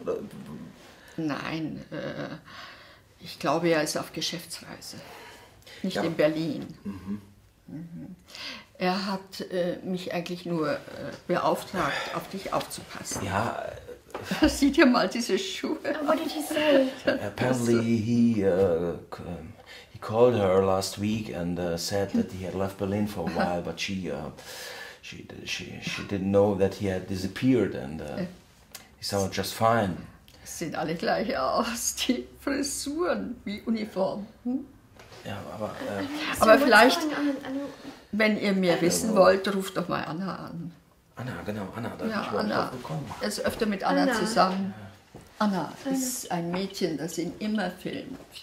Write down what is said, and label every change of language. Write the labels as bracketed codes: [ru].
[de] Oder? Nein. Ich glaube, er ist auf Geschäftsreise. Nicht in Berlin. Mhm. Er hat mich eigentlich nur beauftragt, auf dich aufzupassen. Ja. Sieh dir mal diese Schuhe. [en] What did he say? Apparently he called her last week and said that he had left Berlin for a while, but she didn't know that he had disappeared and he sounded just fine. [de] Sind alle gleich aus, die Frisuren wie Uniform. Ja, aber aber vielleicht, wenn ihr mehr wissen wollt, ruft doch mal Anna an. Anna, genau, Anna, da habe ich Anna. Auch bekommen. Er ist öfter mit Anna, Anna. Zusammen. Anna ist ein Mädchen, das ihn immer filmt.